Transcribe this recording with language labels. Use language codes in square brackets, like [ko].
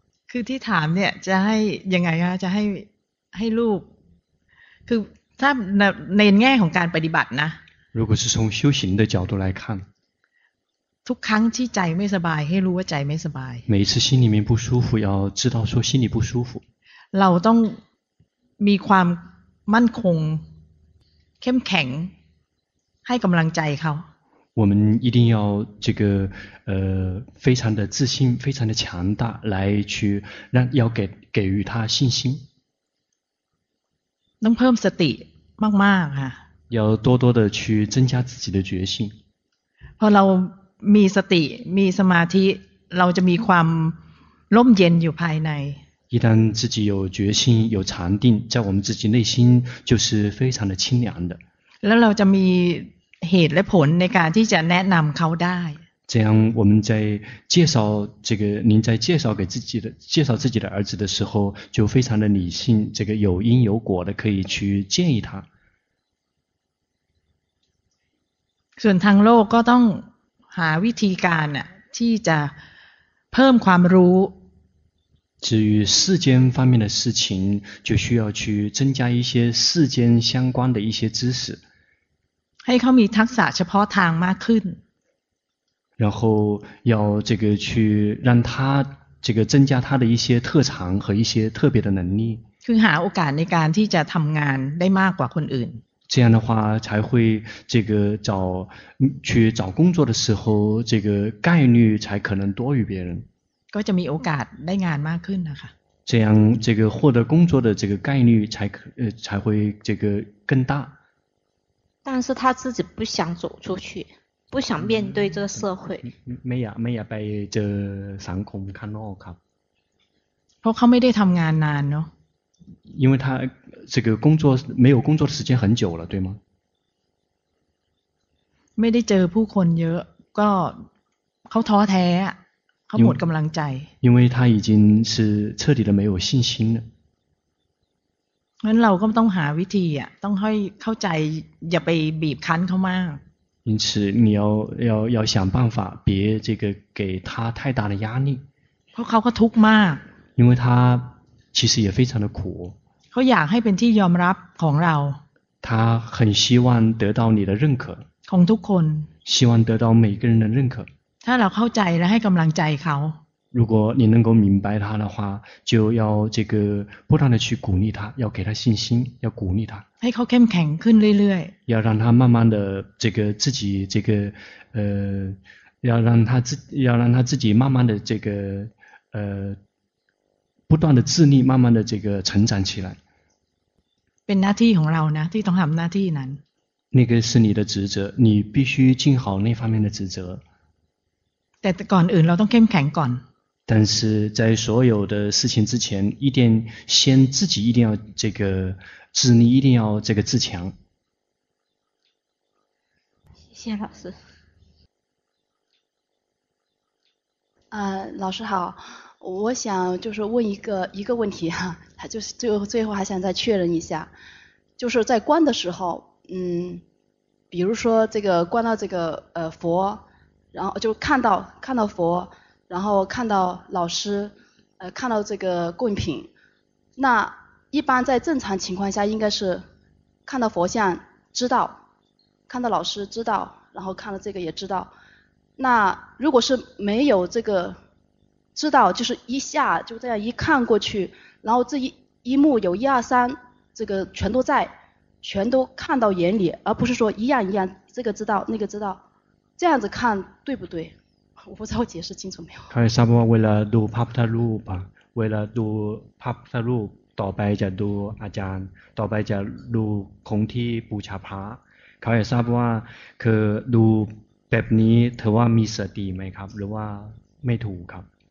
[th] คือที่ถามเนี่ยจะให้ยังไงคะจะให้ลูกคือถ้าในแง่ของการปฏิบัตินะ [zh] 如果是从修行的角度来看 [th] ทุกครั้งที่ใจไม่สบายให้รู้ว่าใจไม่สบาย [zh] 每次心里面不舒服要知道说心里不舒服 [th] เราต้องมีความมั่นคงเข้มแข็งให้กำลังใจเขา [zh] 我们一定要这个非常的自信非常的强大来去让要给予他信心 [th] ต้องเพิ่มสติมากมากค่ะ [zh] 要多多的去增加自己的决心 [th] พอเรามีสติมีสมาธิเราจะมีความร่มเย็นอยู่ภายใน [zh] 一旦自己有决心有禅定在我们自己内心就是非常的清凉的 [th] แล้วเราจะมีเหตุและผลในการที่จะแนะนำเขาได้ [zh] 这样我们在介绍这个您在介绍给自己的介绍自己的儿子的时候就非常的理性这个有因有果的可以去建议他 [th] ส่วนทางโลกก็ต้องหาวิธีการน่ะที่จะเพิ่มความรู้ [zh] 至于世间方面的事情就需要去增加一些世间相关的一些知识 [th] ให้เขามีทักษะเฉพาะทางมากขึ้น [zh] 然后要这个去让他这个增加他的一些特长和一些特别的能力 [th] คือหาโอกาสในการที่จะทำงานได้มากกว่าคนอื่น [zh] 这样的话才会这个去找工作的时候这个概率才可能多于别人 [th] ก็จะมีโอกาสได้งานมากขึ้นนะคะ [zh] 这样这个获得工作的这个概率才会这个更大但是他自己不想走出去不想面对这个社会 [th] ไม่อยากไปเจอสังคมข้างนอกครับ เพราะเขาไม่ได้ทำงานนานเนาะ [zh] 因为他这个工作没有工作的时间很久了对吗 [th] ไม่ได้เจอผู้คนเยอะก็เขาท้อแท้ 他 หมดกำลังใจ [zh] 因为他已经是彻底的没有信心了 [th] งั้นเราก็ต้องหาวิธีอ่ะต้องให้เข้าใจอย่าไปบีบคั้นเขามาก [zh] 因此你要想办法别这个给他太大的压力 [th] เพราะเขาก็ทุกข์มาก [zh] 因为他其实也非常的苦 [th] เขาอยากให้เป็นที่ยอมรับของเรา [zh] 他很希望得到你的认可 [th] ของทุกคน [zh] 希望得到每个人的认可 [th] ถ้าเราเข้าใจและให้กำลังใจเขา [zh] 如果你能够明白他的话就要这个不断的去鼓励他要给他信心要鼓励他 [th] ให้เขาเข้มแข็งขึ้นเรื่อย [zh] ๆ要让他慢慢的这个自己这个要让他自己慢慢的这个不断的自立慢慢的这个成长起来 [th] เป็นหน้าที่ของเรานะที่ต้องทำหน้าที่นั้น [zh] 那个是你的职责你必须尽好那方面的职责 [th] แต่ก่อนอื่นเราต้องเข้มแข็งก่อน [zh] 但是在所有的事情之前一定先自己一定要这个自立一定要这个自强谢谢老师老师好我想就是问一个问题哈、啊、就是最后还想再确认一下就是在观的时候比如说这个观到这个佛然后就看到佛然后看到老师看到这个贡品那一般在正常情况下应该是看到佛像知道看到老师知道然后看到这个也知道那如果是没有这个知道就是一下就这样一看过去然后这一幕有一二三这个全都在全都看到眼里而不是说一样一样这个知道那个知道这样子看对不对我不知道我解释清楚没有他是沙巴为了读帕普塔路吧为了读帕普塔路 [th] ต่อไปจะดูอาจารย์ต่อไปจะดูคงที่บูชาพระเขาอยากทราบว่าคือดูแบบนี้เธอว่ามีสติไหมครับหรือว่าไม่ถูกครับ